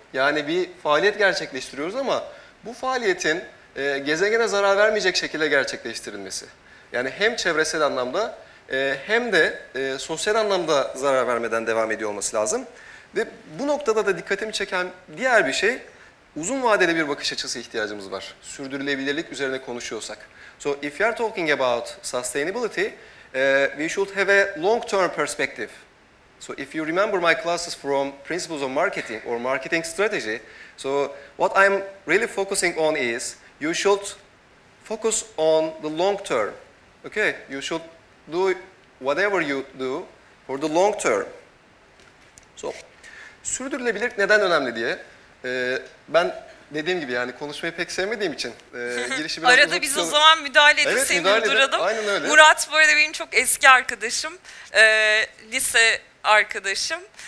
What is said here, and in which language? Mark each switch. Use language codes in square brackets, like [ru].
[tr] Yani bir faaliyet gerçekleştiriyoruz ama bu faaliyetin gezegene zarar vermeyecek şekilde gerçekleştirilmesi. Yani hem çevresel anlamda hem de sosyal anlamda zarar vermeden devam ediyor olması lazım. Ve bu noktada da dikkatimi çeken diğer bir şey, uzun vadeli bir bakış açısı ihtiyacımız var. Sürdürülebilirlik üzerine konuşuyorsak. [en] So if you're talking about sustainability, we should have a long-term perspective. So if you remember my classes from Principles of Marketing or Marketing Strategy, so what I'm really focusing on is you should focus on the long term. Okay, you should do whatever you do for the long term. [tr] So, sürdürülebilirlik neden önemli diye ben dediğim gibi yani konuşmayı pek sevmediğim için girişi biraz arada biz o zaman müdahale edeyim, evet, duralım. Aynen öyle. Murat bu arada benim çok eski arkadaşım, lise arkadaşım.